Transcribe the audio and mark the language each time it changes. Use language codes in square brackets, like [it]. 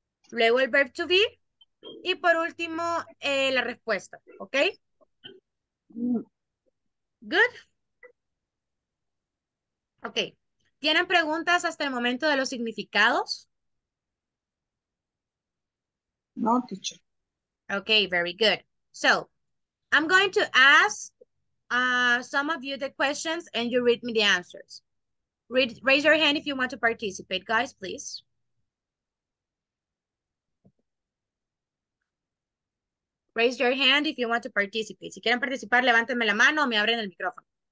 [es] Luego el verb to be. Y por último, la respuesta. ¿Ok? [en] Good. [es] Ok. ¿Tienen preguntas hasta el momento de los significados? [en] No, teacher. Okay, very good. So, I'm going to ask some of you the questions and you read me the answers. Raise your hand if you want to participate, guys, please. Raise your hand if you want to participate. [es] Si quieren participar, levántenme la mano o me abren el micrófono.